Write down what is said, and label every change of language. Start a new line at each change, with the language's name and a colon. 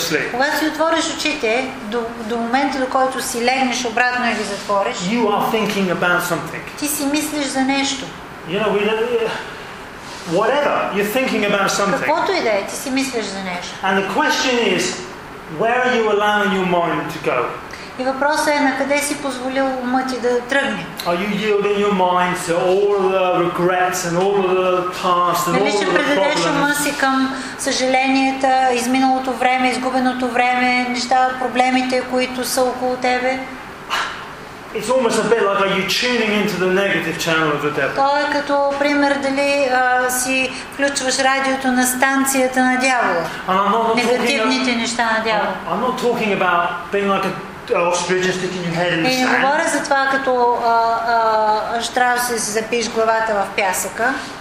Bulgarian: Когато си отвориш очите, до момента, до който си легнеш обратно или затвориш,
English: you are thinking about something.
Bulgarian: Ти си мислиш за нещо.
English: You know, whatever you're thinking about something.
Bulgarian: Каквото и да е, ти си мислиш за нещо.
English: And the question is, where are you allowing your mind to go?
Bulgarian: И въпросът е на къде си позволил умът ти да тръгне.
English: Are you yielding your mind to all the regrets and all the past and all the problems?
Bulgarian: Дали ще предадеш ума си към съжаленията, изминалото време, изгубеното време, неща, проблемите, които са около тебе?
English: It's almost a bit like, are you tuning into the negative channel of the devil?
Bulgarian: Това е като пример дали си включваш радиото на станцията на дявола. Негативните неща на дявола.
English: I'm not talking about being like an ostrich and sticking your head in the sand.
Bulgarian: И не говоря за това като штрауса и си запиш главата в пясъка.